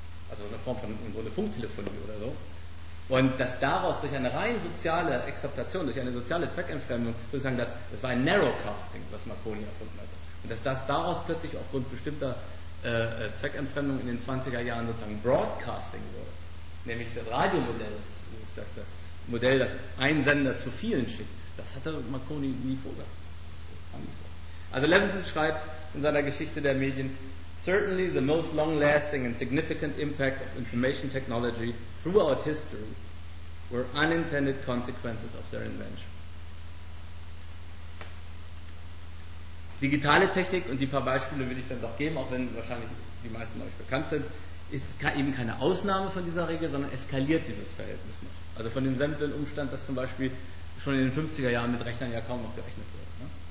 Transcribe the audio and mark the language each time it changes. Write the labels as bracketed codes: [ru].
[de] Also eine Form von im Grunde Funktelefonie oder so. Und dass daraus durch eine rein soziale Exaptation, durch eine soziale Zweckentfremdung, sozusagen das war ein Narrowcasting, was Marconi erfunden hat. Und dass das daraus plötzlich aufgrund bestimmter Zweckentfremdung in den 20er Jahren sozusagen Broadcasting wurde. Nämlich das Radiomodell, das Modell, das ein Sender zu vielen schickt. Das hatte Marconi nie vorgehabt. Also Levinson schreibt in seiner Geschichte der Medien, [en] certainly the most long-lasting and significant impact of information technology throughout history were unintended consequences of their invention. [de] Digitale Technik, und die paar Beispiele will ich dann doch geben, auch wenn wahrscheinlich die meisten euch bekannt sind, ist eben keine Ausnahme von dieser Regel, sondern eskaliert dieses Verhältnis noch. Also von dem simplen Umstand, dass zum Beispiel schon in den 50er Jahren mit Rechnern ja kaum noch gerechnet wurde. Ne?